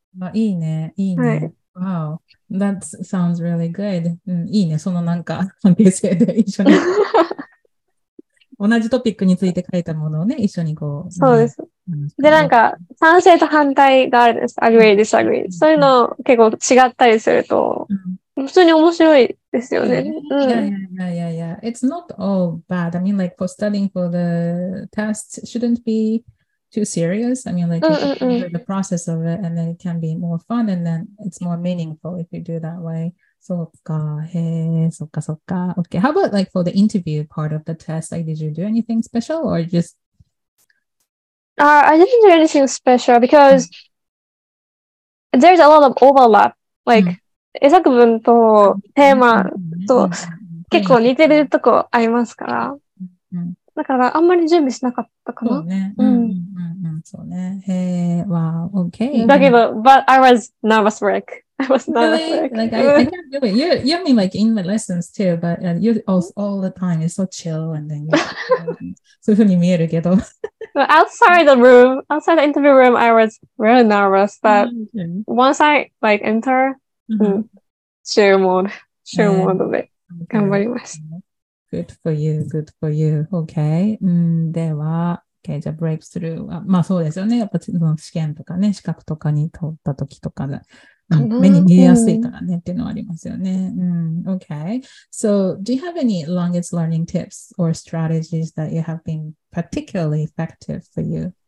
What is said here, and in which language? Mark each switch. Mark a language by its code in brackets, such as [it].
[ja] あ、いいね、いいね。はい、 [en] wow. That sounds really good.、 [ja] うん、いいね、そのなんか、関係性で一緒に。同じトピックについて書いたものをね、一緒にこう。そうです。で、なんか、賛成と反対があるんです。 [en] agree, disagree. [ja] そういうの結構違ったりすると、普通に面白いですよね。 [en] Yeah. It's not all bad. I mean, like, for studying for the test shouldn't be too serious. I mean, like, you can enjoy the process of it and then it can be more fun and then it's more meaningful if you do that way. [ja] そっか、へえ、そっかそっか。 [en] Okay, how about like for the interview part of the test? Like, did you do anything special or just? I didn't do anything special because there's a lot of overlap. [ja] Like, 英作文とテーマと結構似てるとこありますから。だからあんまり準備しなかったかな。そうね。そうね。へえ、わあ、okay. だけど、 [en] but I was nervous wreck. Really? Like, I can't do it. You mean like in my lessons too, but you all the time is so chill and then [ja] そういうふうに見えるけど [en] Outside the room, outside the interview room, I was really nervous, but once I like enter, show mode [ja] で頑張ります。 [en] Good for you, good for you. Okay. では、Okay, じゃあ breakthrough。 [ja] まあそうですよね。やっぱ試験とかね、資格とかに通ったときとかで。目に見えやすいからねっていうのはありますよね。 [en] Okay. So, do you have any longest learning tips or strategies that you have been particularly effective for you?